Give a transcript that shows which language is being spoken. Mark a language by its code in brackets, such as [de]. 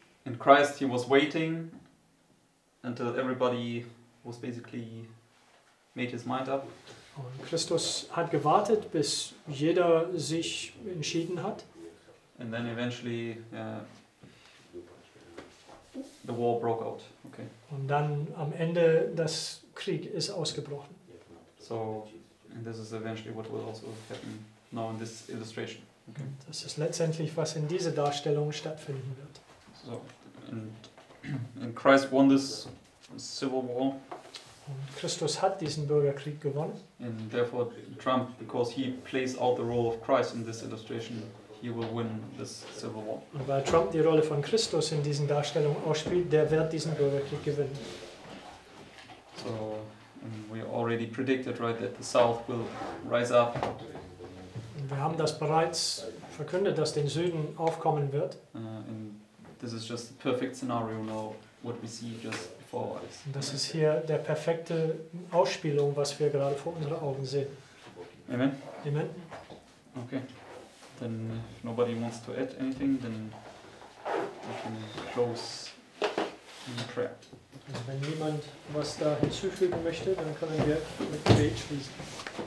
[en] In Christ he was waiting until everybody was basically made his mind up. [de] Und Christus hat gewartet, bis jeder sich entschieden hat. [en] And then eventually the war broke out. Okay. [de] Und dann am Ende das Krieg ist ausgebrochen. [en] So, and this is eventually what will also happen now in this illustration. Okay. [de] Das ist letztendlich, was in dieser Darstellung stattfinden wird. [en] So, and Christ won this civil war. [de] Und Christus hat diesen Bürgerkrieg gewonnen. [en] And therefore Trump, because he plays out the role of Christ in this illustration, he will win this civil war. [de] Und weil Trump die Rolle von Christus in diesen Darstellungen ausspielt, der wird diesen Bürgerkrieg gewinnen. [en] So, and we already predicted, right, that the South will rise up. [de] Und wir haben das bereits verkündet, dass den Süden aufkommen wird. [en] And this is just the perfect scenario now, what we see just before us. [de] Und das ist hier der perfekte Ausspielung, was wir gerade vor unseren Augen sehen. [en] Amen. Amen. Okay. Then if nobody wants to add anything, then we can close in prayer. [de] Wenn niemand was da hinzufügen möchte, dann können wir mit Gebet schließen.